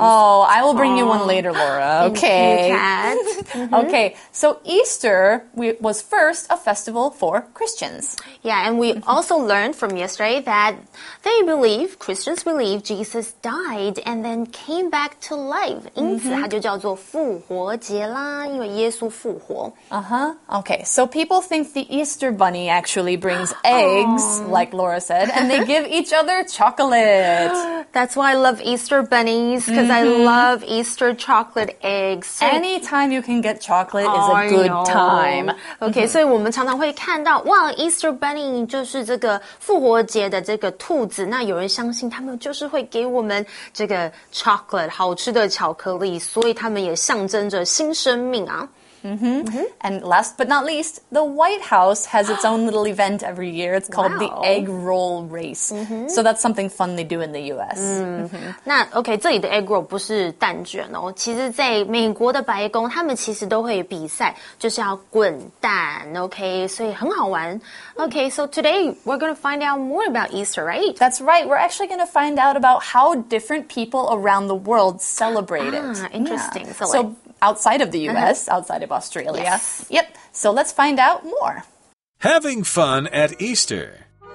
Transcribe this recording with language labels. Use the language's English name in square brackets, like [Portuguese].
[English] Oh, I will bring you one later, Laura. Okay. Thank you, Kat. Mm-hmm. Okay, so Easter was first a festival for Christians. Yeah, and we also learned from yesterday that Christians believe Jesus died and then came back to life. [Chinese] 因此它就叫做复活节啦，因为耶稣复活。 Uh-huh. [English] Okay, so people think the Easter bunny actually brings eggs, like Laura said, and they give each other chocolate. That's why I love Easter bunnies, because I love Easter chocolate eggs. So anytime you can get chocolate is a good time. Okay, so [Chinese] 我们常常会看到，哇， [English] Easter bunny [Chinese] 就是这个复活节的这个兔子，那有人相信他们就是会给我们这个 chocolate, 好吃的巧克力，所以他们也象征着新生命啊。 Mm-hmm. Mm-hmm. [English] And last but not least, the White House has its own little event every year. It's called the Egg Roll Race. Mm-hmm. So that's something fun they do in the U.S. [Chinese] Mm-hmm. 那 OK, 这里的 Egg Roll 不是蛋卷哦。其实在美国的白宫，他们其实都会比赛，就是要滚蛋。 OK, 所以很好玩。 [English] OK, so today we're going to find out more about Easter, right? That's right. We're actually going to find out about how different people around the world celebrate it. Interesting. Yeah. So outside of the U.S., outside of Australia. Yes. Yep, so let's find out more. Having fun at Easter.